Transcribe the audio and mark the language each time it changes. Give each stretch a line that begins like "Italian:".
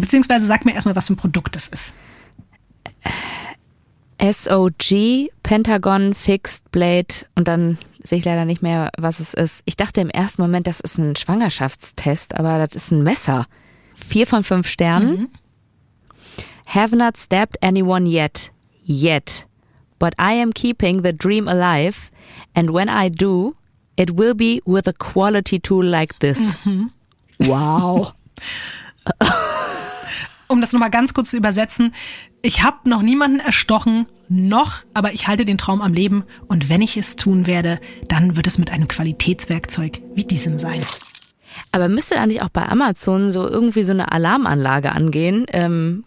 German: Beziehungsweise sag mir erstmal, was für ein Produkt das ist. SOG, Pentagon Fixed Blade und dann sehe ich leider nicht mehr, was es ist. Ich dachte im ersten Moment, das ist ein Schwangerschaftstest, aber das ist ein Messer. 4 von 5 Sternen. Mhm.
English: Have not stabbed anyone yet. Yet. But I am keeping the dream alive. And when I do, it will be with a quality tool like this. Mhm. Wow.
German: Um das nochmal ganz kurz zu übersetzen. Ich habe noch niemanden erstochen, noch, aber ich halte den Traum am Leben. Und wenn ich es tun werde, dann wird es mit einem Qualitätswerkzeug wie diesem sein. Aber müsste eigentlich auch bei Amazon so irgendwie so eine Alarmanlage angehen?